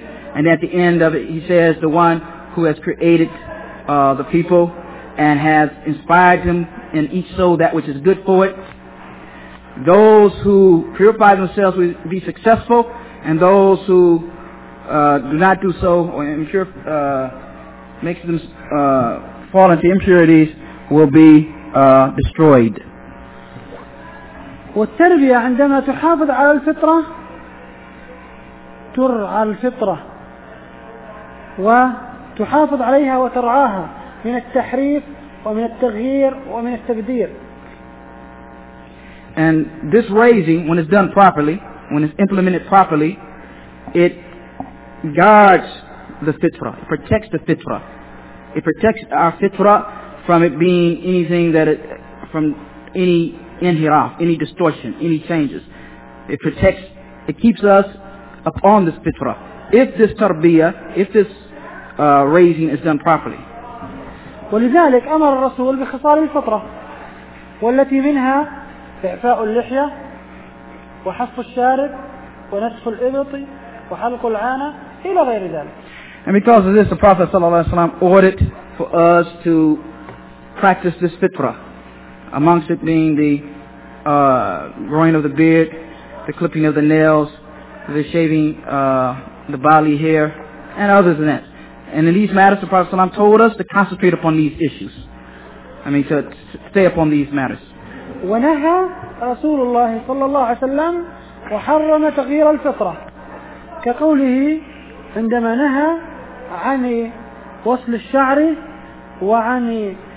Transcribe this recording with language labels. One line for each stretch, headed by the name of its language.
English: And at the end of it, he says, the one who has created the people and has inspired them in each soul that which is good for it. Those who purify themselves will be successful, and those who do not do so or impure, makes them fall into impurities will be destroyed.
Arabic: والتربية عندما تحافظ على الفطرة ترعى الفطرة وتحافظ عليها وترعاها من التحريف ومن التغيير ومن التبدير.
English: And this raising, when it's done properly, when it's implemented properly, it guards the fitra, it protects the fitra. It protects our fitra from it being anything that it, from any inhiraf, any distortion, any changes. It protects, it keeps us upon this fitra. If this tarbiya, if this raising is done properly.
Arabic: ولذلك أمر الرسول بخصال الفطرة والتي منها إعفاء اللحية وحف الشارب ونسف الإبط وحلق العانة إلى غير ذلك.
English: And because of this, the Prophet
Arabic: صلى الله عليه وسلم
English: ordered for us to practice this fitra, amongst it being the growing of the beard, the clipping of the nails, the shaving the bali hair, and others than that. And in these matters, the Prophet ﷺ told us to concentrate upon these issues. I mean, to stay upon these matters.
Arabic: ونهى رسول الله صلى الله عليه وسلم وحرم تغيير الفطرة، كقوله عندما نهى عن وصل الشعر وعن